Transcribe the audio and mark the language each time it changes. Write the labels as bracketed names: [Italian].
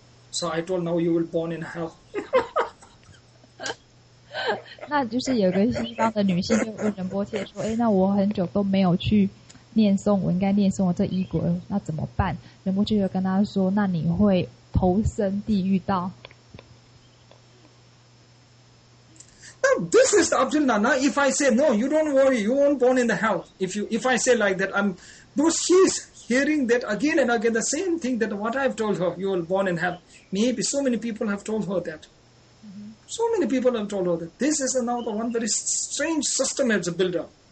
[English] So I told, now you will born in hell. [Chinese] 那就是有个西方的女性就问仁波切说，哎，那我很久都没有去念诵，我应该念诵了这一国，那怎么办？仁波切就跟她说，那你会投身地狱道。 [English] This is the Abdullana. If I say, no, you don't worry, you won't born in the hell. If I say like that, I'm... But she's hearing that again and again, the same thing that what I've told her, you will born in hell. Maybe so many people have told her that. Mm-hmm. So many people have told her that. This is another one very strange system as a builder.